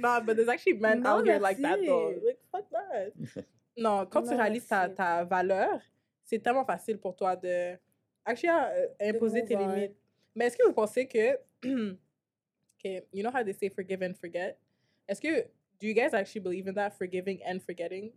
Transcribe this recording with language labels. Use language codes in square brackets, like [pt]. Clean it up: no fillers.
[en] Nah, but there's actually men out here like that, though. Like, fuck that. [fr] Non, quand tu réalises ta valeur, c'est tellement facile pour toi de actually imposer tes limites. Mais est-ce que vous pensez que [en] okay, you know how they say forgive and forget? [fr] Est-ce que [en] do you guys actually believe in that forgiving and forgetting?